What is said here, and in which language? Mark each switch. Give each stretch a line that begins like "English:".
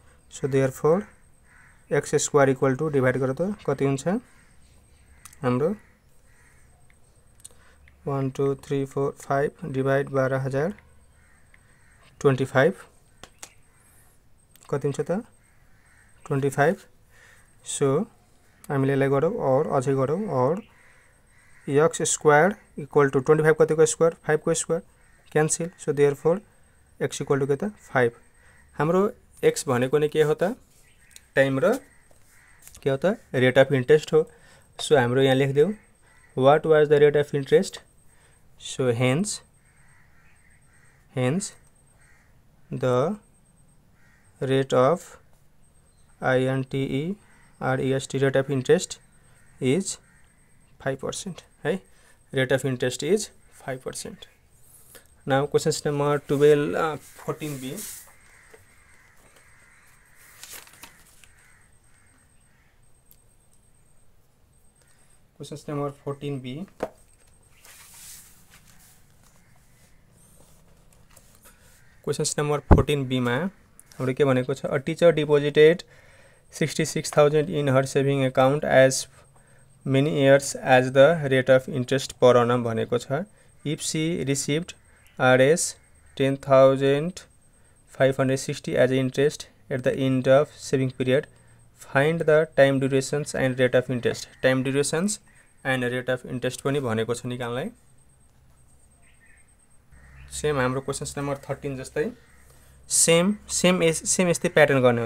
English: so therefore x square equal to divide
Hindi: करो तो
Nepali: कति हुन्छ हाम्रो 1, 2, 3, 4, 5 डिवाइड 12,000 25 कति हुन्छ त 25. सो हामीले यसलाई गरौँ और अझै गरौँ और
English: x square equal to 25
Nepali: कतिको स्क्वायर 5 को square cancel.
English: so there four x equal to
Nepali: के त
English: 5.
Nepali: हाम्रो एक्स भनेको नै के हो त टाइम र के हो त रेट अफ इन्ट्रेस्ट हो. सो हाम्रो यहाँ लेखिदेऊ
English: What was the rate of interest. So hence the rate of INTEREST rate of interest is 5% है, rate of interest is 5%. Now questions number 14 B. Question number 14 B. Question number 14 B में हमें
Nepali: के भनेको छ,
English: a teacher deposited 66,000 in her saving account as many years as the rate of interest per annum
Nepali: भनेको छ.
English: If she received RS 10,560 as interest at the end of saving period find the time durations and rate of interest. Time durations and rate of interest
Nepali: पनि भनेको छ निकाल्नलाई. Same हाम्रो questions number 13 जस्तै same यस्तै pattern गर्ने हो.